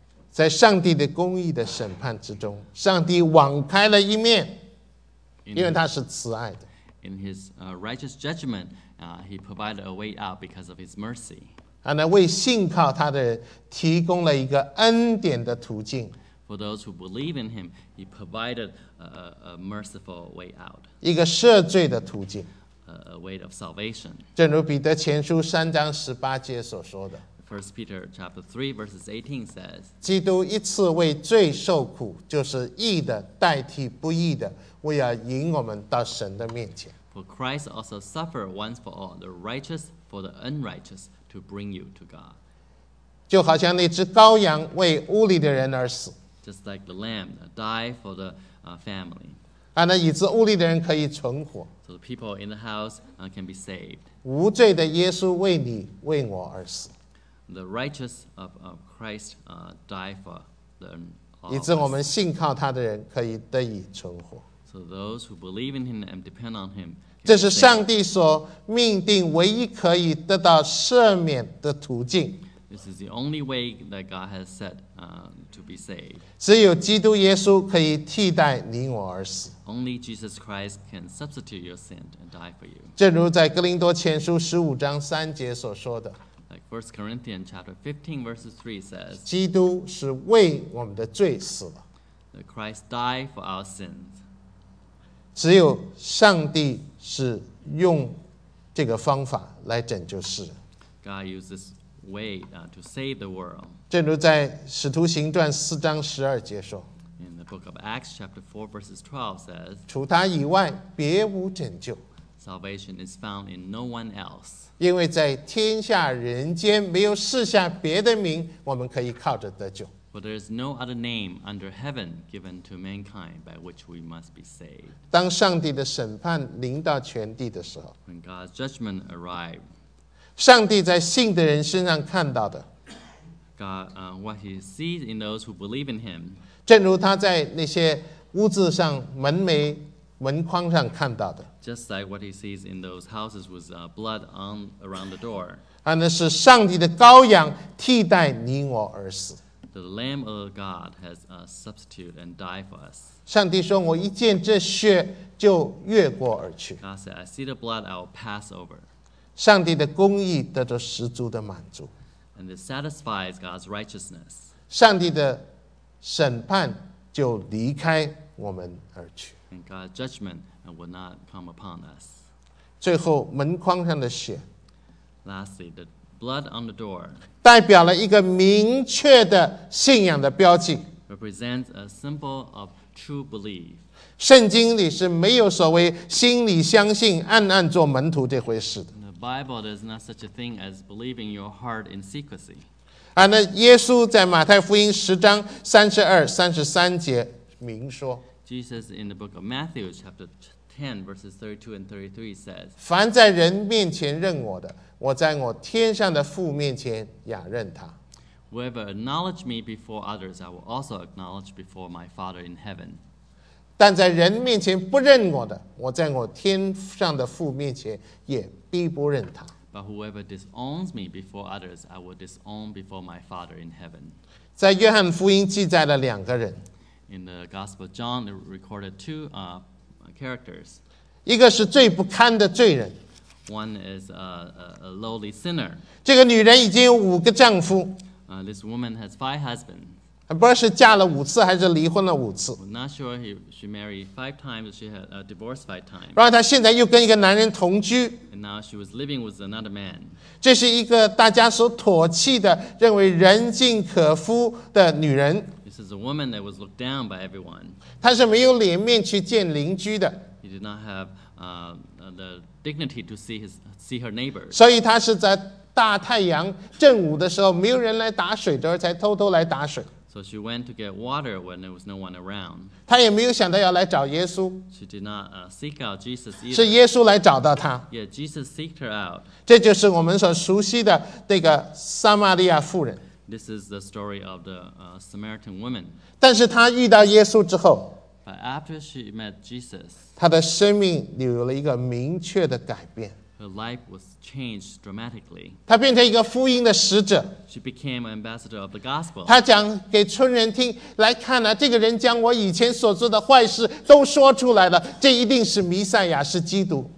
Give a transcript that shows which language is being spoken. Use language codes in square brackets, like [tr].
[zh] 在上帝的公义的审判之中，上帝网开了一面，因为他是慈爱的。 [en] In his righteous judgment, he provided a way out because of his mercy. [zh] 为信靠他的人提供了一个恩典的途径。 [en] For those who believe in him, he provided a merciful way out. [zh] 一个赦罪的途径。 [en] A way of salvation. [zh] 正如彼得前书三章十八节所说的。 [en] First Peter chapter 3 verses 18 says, [zh] 基督一次为罪受苦，就是义的代替不义的，为要引我们到神的面前。 [en] For Christ also suffered once for all, the righteous for the unrighteous, to bring you to God. [zh] 就好像那只羔羊为屋里的人而死。 [en] Just like the lamb died for the family. [zh] 那以致屋里的人可以存活。 [en] So the people in the house can be saved. [zh] 无罪的耶稣为你为我而死。 [en] The righteous of Christ died for the all. [zh] 以致我们信靠他的人可以得以存活。 [en] So those who believe in him and depend on him. [zh] 这是上帝所命定唯一可以得到赦免的途径。 [en] This is the only way that God has set to be saved. [zh] 只有基督耶稣可以替代你我而死。 [en] Only Jesus Christ can substitute your sin and die for you. [zh] 正如在哥林多前书十五章三节所说的。 [en] Like 1 Corinthians chapter 15 verses 3 says, [zh] 基督是为我们的罪死了。 [en] That Christ died for our sins. [zh] 只有上帝是用这个方法来拯救世人。 [en] God uses way to save the world. [zh] 正如在使徒行传四章十二节说。 [en] In the book of Acts chapter 4 verses 12 says, [zh] 除他以外别无拯救。 [en] Salvation is found in no one else. [zh] 因为在天下人间没有世下别的名我们可以靠着得救。 [en] For there is no other name under heaven given to mankind by which we must be saved. [zh] 当上帝的审判临到全地的时候。 [en] When God's judgment arrived, [zh] 上帝在信的人身上看到的 [en] God, what he sees in those who believe in him, [zh] 正如他在那些屋子上门楣门框上看到的 [en] just like what he sees in those houses with blood on around the door, [zh] 那是上帝的羔羊替代你我而死 [en] the Lamb of God has substituted and died for us. [zh] 上帝说我一见这血就越过而去 [en] God said, I see the blood, I will pass over. [zh] 上帝的公义得到十足的满足 [en] and it satisfies God's righteousness. [zh] 上帝的审判就离开我们而去 [en] and God's judgment will not come upon us. [zh] 最后门框上的血 [en] lastly the blood on the door [zh] 代表了一个明确的信仰的标记 [en] represents a symbol of true belief. [zh] 圣经里是没有所谓心里相信暗暗做门徒这回事的。 [en] The Bible is not such a thing as believing your heart in secrecy. [zh] 那耶稣在马太福音十章三十二、三十三节明说。 [en] Jesus in the book of Matthew chapter 10 verses 32 and 33 says, [zh] 凡在人面前认我的，我在我天上的父面前也认他。 [en] Whoever acknowledge me before others, I will also acknowledge before my Father in heaven. [zh] 但在人面前不认我的，我在我天上的父面前也必不认他。 [en] But whoever disowns me before others, I will disown before my Father in heaven. [zh] 在约翰福音记载了两个人。 [en] In the Gospel of John, it recorded two characters. [zh] 一个是最不堪的罪人。 [en] One is a lowly sinner. [zh] 这个女人已经有五个丈夫。 [en] This woman has five husbands. [zh] 还不知道是嫁了五次还是离婚了五次。 [en] I'm not sure if she married five times or she had divorced five times. [zh] 然后她现在又跟一个男人同居。 [en] And now she was living with another man. [zh] 这是一个大家所唾弃的，认为人尽可夫的女人。 [en] This is a woman that was looked down by everyone. [zh] 她是没有脸面去见邻居的。 [en] He did not have the dignity to see her neighbors. [zh] 所以她是在大太阳正午的时候，没有人来打水的时候，才偷偷来打水。 [en] So she went to get water when there was no one around. [zh] 她也没有想到要来找耶稣。 [en] She did not seek out Jesus either. [zh] 是耶稣来找到她。 [en] Yeah, Jesus seeked her out. [zh] 这就是我们所熟悉的这个撒玛利亚妇人。 [en] This is the story of the Samaritan woman. [zh] 但是她遇到耶稣之后。 [en] But after she met Jesus, [zh] 她的生命有了一个明确的改变。 [en] Her life was changed dramatically. [zh] 她变成一个福音的使者。 [en] She became an ambassador of the gospel. [zh] 她讲给村人听，来看啊，这个人将我以前所做的坏事都说出来了，这一定是弥赛亚，是基督。